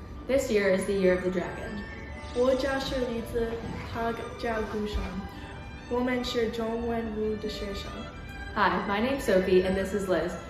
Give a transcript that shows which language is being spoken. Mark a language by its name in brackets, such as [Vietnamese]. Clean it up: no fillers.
[English] This year is the Year of the Dragon. [Chinese] 我叫是李子，他叫顾尚，我们是中文部的学生。 [English] Hi, my name's Sophie and this is Liz.